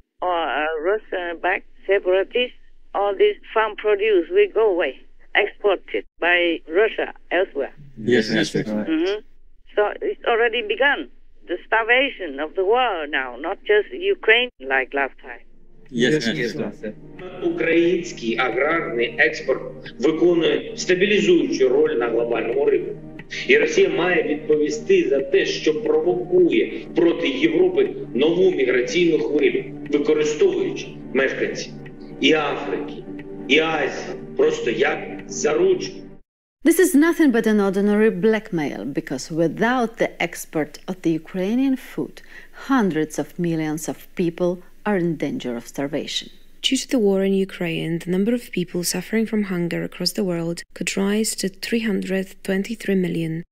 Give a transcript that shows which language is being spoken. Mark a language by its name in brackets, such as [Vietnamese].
[English] or Russian backed separatists, all this farm produce will go away, exported by Russia elsewhere. Yes, that's right. Mm-hmm. So it's already begun. The starvation of the world now, not just Ukraine like last time. Yes, [Ukrainian] український аграрний експорт виконує стабілізуючу роль на глобальному ринку. І Росія має відповісти за те, що провокує проти Європи нову міграційну хвилю, використовуючи мешканців і Африки, і Азії просто як заручник. [English] This is nothing but an ordinary blackmail, because without the export of the Ukrainian food, hundreds of millions of people are in danger of starvation. Due to the war in Ukraine, the number of people suffering from hunger across the world could rise to 323 million.